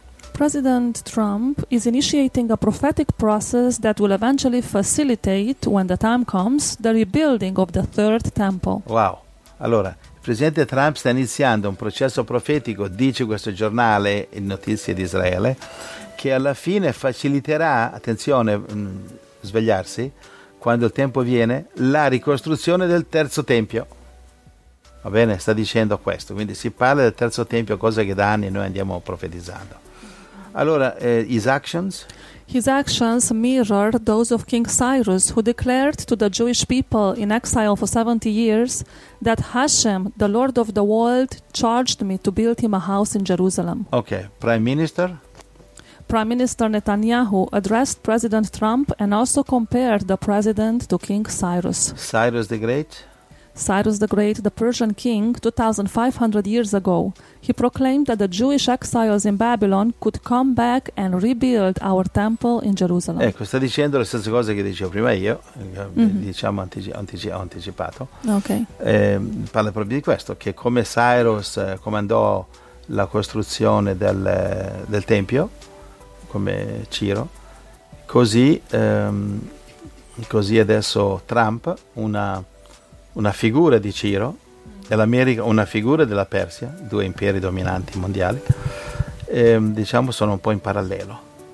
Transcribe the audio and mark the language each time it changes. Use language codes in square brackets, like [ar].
[en] President Trump is initiating a prophetic process that will eventually facilitate, when the time comes, the rebuilding of the third temple. [it] Wow, allora, il Presidente Trump sta iniziando un processo profetico, dice questo giornale, in Notizie di Israele, che alla fine faciliterà, attenzione, svegliarsi, quando il tempo viene, la ricostruzione del terzo tempio. Va bene? Sta dicendo questo. Quindi si parla del terzo tempio, cosa che da anni noi andiamo profetizzando. [en] Allora, his actions? His actions mirror those of King Cyrus, who declared to the Jewish people in exile for 70 years that Hashem, the Lord of the world, charged me to build him a house in Jerusalem. Ok, Prime Minister? Prime Minister Netanyahu addressed President Trump and also compared the president to King Cyrus. Cyrus the Great? Cyrus the Great, the Persian king, 2,500 years ago. He proclaimed that the Jewish exiles in Babylon could come back and rebuild our temple in Jerusalem. [it] Ecco, sta dicendo le stesse cose che dicevo prima io, diciamo anticipato. Ok. Parla proprio di questo, che come Cyrus comandò la costruzione del tempio, come Ciro, così adesso Trump, una figura di Ciro, e l'America una figura della Persia, due imperi dominanti mondiali, diciamo sono un po' in parallelo.